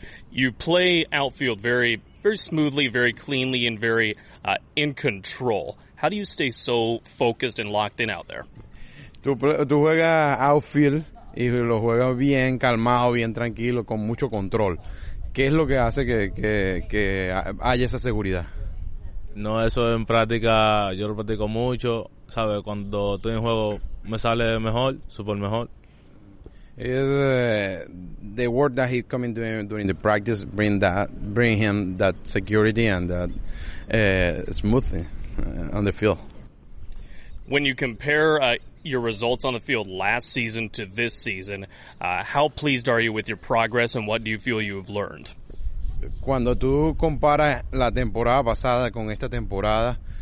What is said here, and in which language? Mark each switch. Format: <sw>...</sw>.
<en>You play outfield very, very smoothly, very cleanly, and very in control. How do you stay so focused and locked in out there?</en> <es>Tú juegas outfield y lo juegas bien calmado, bien tranquilo, con mucho control. ¿Qué es lo que hace que haya esa seguridad? No, eso en práctica, yo lo practico mucho, ¿sabes? Cuando estoy en juego me sale mejor, super mejor.</es> <en>Is the work that he coming doing during the practice bring him that security and that smoothness on the field? When you compare your results on the field last season to this season, how pleased are you with your progress and what do you feel you've learned?</en> <es>Cuando tú comparas la temporada pasada con esta temporada,</es>